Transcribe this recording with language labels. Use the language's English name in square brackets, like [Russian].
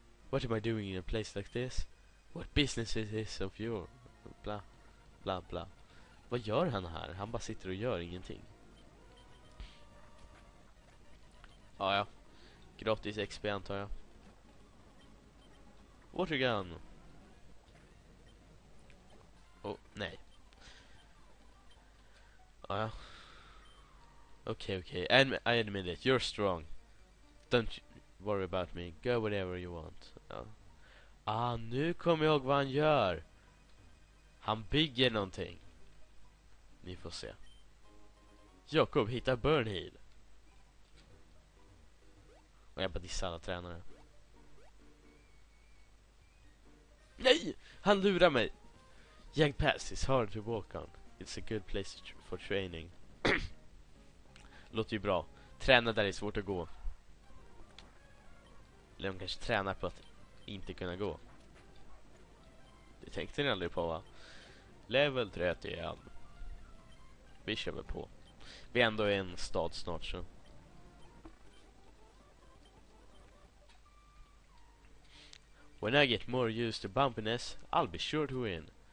[English] What am I doing in a place like this? What business is this of your... [Swedish] Bla, bla, bla. Vad gör han här? Han bara sitter och gör ingenting. Ah, ja. Gratis XP antar jag. [English] Water gun. [Swedish] Oh, nej. Ah, ja. Okej. [English] I admit it. You're strong. Don't worry about me. Go whatever you want. [Swedish] Ah, nu kommer jag ihåg vad han gör. Han bygger någonting. Ni får se. Jakob, hitta Burnheal. Och jag bara dissar alla tränare. Nej, han lurar mig. [English] Young pass is hard to walk on. It's a good place for training. [Swedish] Låter ju bra. Träna där är svårt att gå. Eller hon kanske tränar på att inte kunna gå. Det tänkte ni aldrig på, va? Level 31. Vi kör väl på. Vi ändå är en stad snart så. [English] When I get more used to bumpiness, I'll be sure to win.